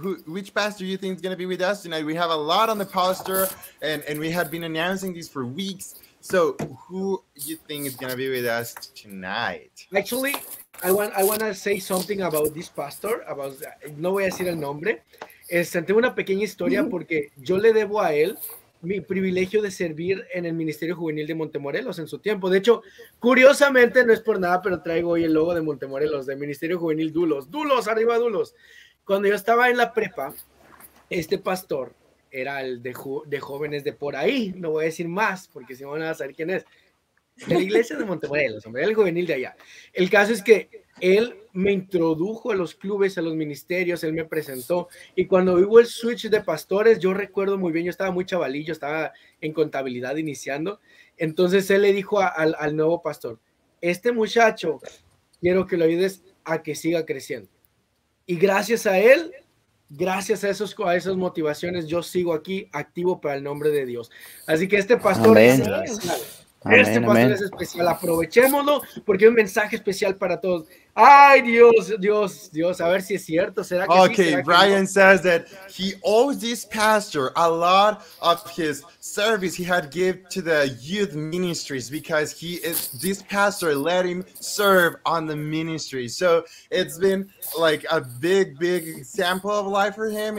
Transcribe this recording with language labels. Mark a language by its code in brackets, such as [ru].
[en] Which pastor you think is going to be with us tonight? We have a lot on the poster, and we have been announcing these for weeks. So who you think is going to be with us tonight? Actually, I want to say something about this pastor. [es] No voy a decir el nombre. Tengo una pequeña historia porque yo le debo a él mi privilegio de servir en el Ministerio Juvenil de Montemorelos en su tiempo. De hecho, curiosamente, no es por nada, pero traigo hoy el logo de Montemorelos, del Ministerio Juvenil Dulos. ¡Dulos! ¡Arriba, Dulos! Cuando yo estaba en la prepa, este pastor era el de jóvenes de por ahí. No voy a decir más, porque si no van a saber quién es. De la iglesia de Montemorelos, hombre, el juvenil de allá. El caso es que él me introdujo a los clubes, a los ministerios, él me presentó. Y cuando hubo el switch de pastores, yo recuerdo muy bien, yo estaba muy chavalillo, estaba en contabilidad iniciando. Entonces él le dijo al nuevo pastor, este muchacho, quiero que lo ayudes a que siga creciendo. Y gracias a él, gracias a esas motivaciones, yo sigo aquí activo para el nombre de Dios. Así que este pastor es especial. Este pastor es especial. Aprovechémoslo porque es un mensaje especial para todos. Ay, Dios, a ver si es cierto. ¿Será que okay, sí? ¿Será Brian que no? [en] Says that he owes this pastor a lot of his service he had given to the youth ministries because this pastor let him serve on the ministry. So it's been like a big, big example of life for him.